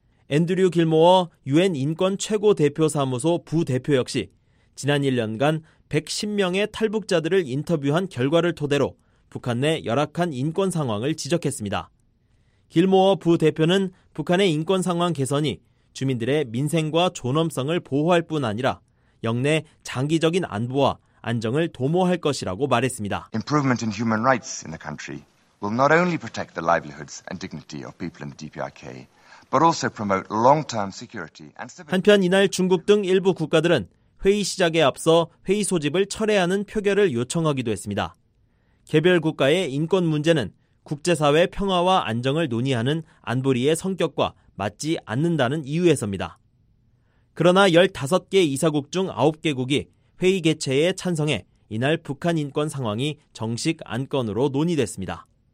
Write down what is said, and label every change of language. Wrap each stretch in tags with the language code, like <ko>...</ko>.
<ko>앤드류 길모어 유엔 인권 최고 대표사무소 부대표 역시 지난 1년간 110명의 탈북자들을 인터뷰한 결과를 토대로 북한 내 열악한 인권 상황을 지적했습니다. 길모어 부대표는 북한의 인권 상황 개선이 주민들의 민생과 존엄성을 보호할 뿐 아니라 역내 장기적인 안보와 안정을 도모할 것이라고 말했습니다.</ko> <en>Improvement in human rights in the country will not only protect the livelihoods and dignity of people in the DPRK, but also promote long-term security and stability.</en> <ko>한편 이날 중국 등 일부 국가들은 회의 시작에 앞서 회의 소집을 철회하는 표결을 요청하기도 했습니다. 개별 국가의 인권 문제는 국제사회 평화와 안정을 논의하는 안보리의 성격과 맞지 않는다는 이유에서입니다. 그러나 15개 이사국 중 9개국이 회의 개최에 찬성해 이날 북한 인권 상황이 정식 안건으로 논의됐습니다.</ko>